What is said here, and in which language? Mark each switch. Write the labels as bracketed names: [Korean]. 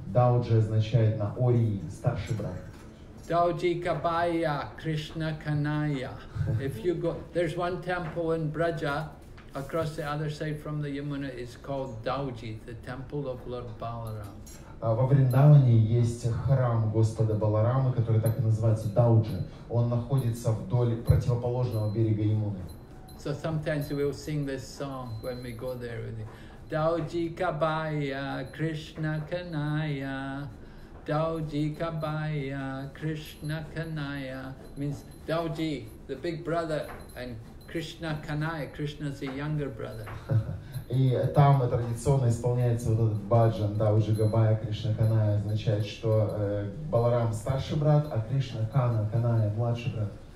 [Russian] Dauji означает на ори старший брат. [Hindi] Dauji Kabaya, Krishna Kanaya. [English] If you go, there's one temple in Braja, across the other side from the Yamuna, is called Dauji, the temple of Lord Balaram. [Russian] Во Вриндаване есть храм Господа Баларама, который так и называется Dauji. Он находится вдоль противоположного берега Ямуны. [English] So sometimes we will sing this song when we go there with you. [Hindi] Dauji Kabaya, Krishna Kanaya. Dauji Kabaya, Krishna Kanaya. [English] Means Dauji, the big brother, and Krishna Kanaya, Krishna's the younger brother. [Russian] И там традиционно исполняется вот этот баджан, [Hindi] Дауджи Габая, Кришна Каная, [Russian] означает, что Баларам старший брат, а Кришна Кана, Каная, младший брат.